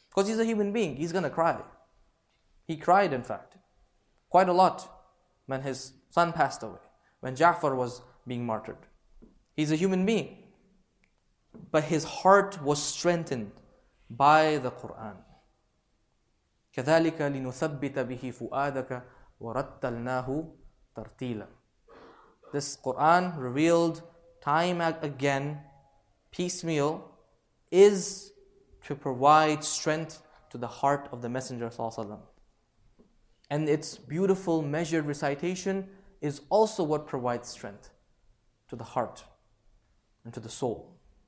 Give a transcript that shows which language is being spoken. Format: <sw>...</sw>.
<en>Because he's a human being, he's going to cry. He cried, in fact, quite a lot when his son passed away, when Ja'far was being martyred. He's a human being. But his heart was strengthened by the Quran.</en> <ar>كَذَلِكَ لِنُثَبِّتَ بِهِ فُؤَادَكَ وَرَتَّلْنَاهُ تَرْتِيلًا.</ar> <en>This Quran revealed time again, piecemeal, is to provide strength to the heart of the Messenger sallallahu alaihi wasallam. And its beautiful measured recitation is also what provides strength to the heart and to the soul.</en>